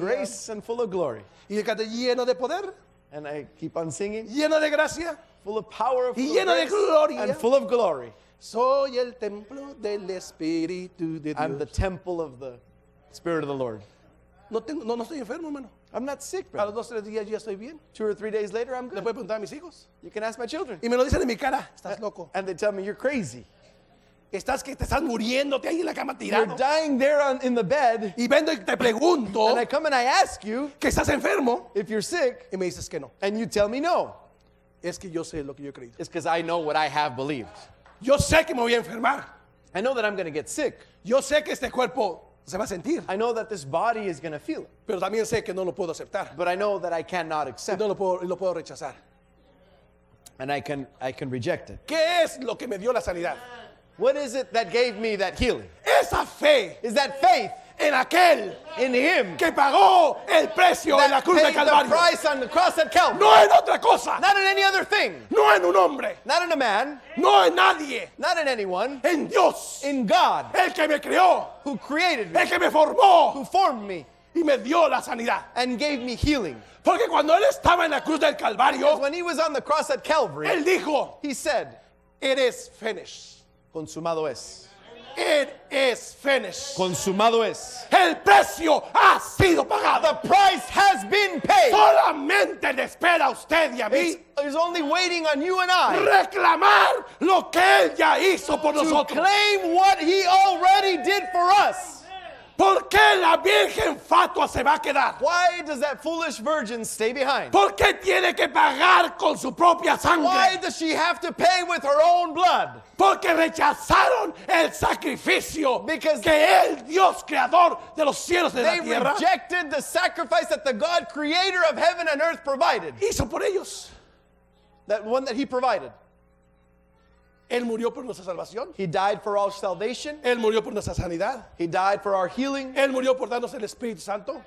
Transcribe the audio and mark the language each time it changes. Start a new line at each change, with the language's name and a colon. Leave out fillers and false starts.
English: full of grace and full of glory.
Spanish: Y yo canto, lleno de poder,
English: and I keep on singing,
Spanish: lleno de gracia,
English: full of power, full
Spanish: y lleno
English: of
Spanish: de gloria,
English: and full of glory.
Spanish: Soy el templo del Espíritu de Dios.
English: I'm the temple of the Spirit of the Lord.
Spanish: No estoy enfermo, hermano.
English: I'm not sick, brother.
Spanish: A los dos, tres días ya estoy bien.
English: 2 or 3 days later, I'm good.
Spanish: ¿Le puedo preguntar a mis hijos?
English: You can ask my children.
Spanish: Y me lo dicen en mi cara. Estás loco.
English: And they tell me, you're crazy.
Spanish: Estás que te estás muriéndote ahí en la cama tirado.
English: You're dying there in the bed.
Spanish: Y vendo y te pregunto.
English: And I come and I ask you.
Spanish: Que estás enfermo.
English: If you're sick.
Spanish: Y me dices que no.
English: And you tell me no.
Spanish: Es que yo sé lo que yo he creído.
English: It's because I know what I have believed.
Spanish: Yo sé que me voy a enfermar.
English: I know that I'm going to get sick.
Spanish: Yo sé que este cuerpo... se va a sentir.
English: I know that this body is going to feel it.
Spanish: Pero también sé que no lo puedo aceptar.
English: But I know that I cannot accept.
Spanish: Y no lo puedo rechazar.
English: And I can reject it.
Spanish: ¿Qué es lo que me dio la sanidad?
English: What is it that gave me that healing?
Spanish: Esa fe.
English: Is that faith?
Spanish: en aquel
English: in him
Spanish: que pagó el precio en la cruz de Calvario.
English: The price on the cross at Calvary.
Spanish: No en otra cosa.
English: Not in any other thing.
Spanish: No en un hombre.
English: Not in a man.
Spanish: No en nadie.
English: Not in anyone.
Spanish: En Dios.
English: In God.
Spanish: El que me creó.
English: Who created me.
Spanish: El que me formó.
English: Who formed me.
Spanish: Y me dio la sanidad.
English: And gave me healing.
Spanish: Porque cuando él estaba en la cruz del Calvario,
English: when he was on the cross at Calvary,
Spanish: él dijo,
English: he said, it is finished.
Spanish: Consumado es.
English: It is finished.
Spanish: Consumado es. El precio ha sido pagado.
English: The price has been paid.
Spanish: Solamente le espera usted y a mí.
English: He's only waiting on you and I.
Spanish: Reclamar lo que él ya hizo por
English: to
Spanish: nosotros.
English: To claim what he already did for us.
Spanish: ¿Por qué la virgen fatua se va a quedar?
English: Why does that foolish virgin stay behind?
Spanish: ¿Por qué tiene que pagar con su propia sangre?
English: Why does she have to pay with her own blood?
Spanish: Porque rechazaron el sacrificio.
English: Because
Spanish: que el Dios creador de los cielos y de la tierra.
English: They rejected the sacrifice that the God creator of heaven and earth provided.
Spanish: Hizo por ellos.
English: That one that he provided.
Spanish: Él murió por nuestra salvación.
English: He died for our salvation.
Spanish: Él murió por nuestra sanidad.
English: He died for our healing.
Spanish: Él murió por darnos el Espíritu Santo.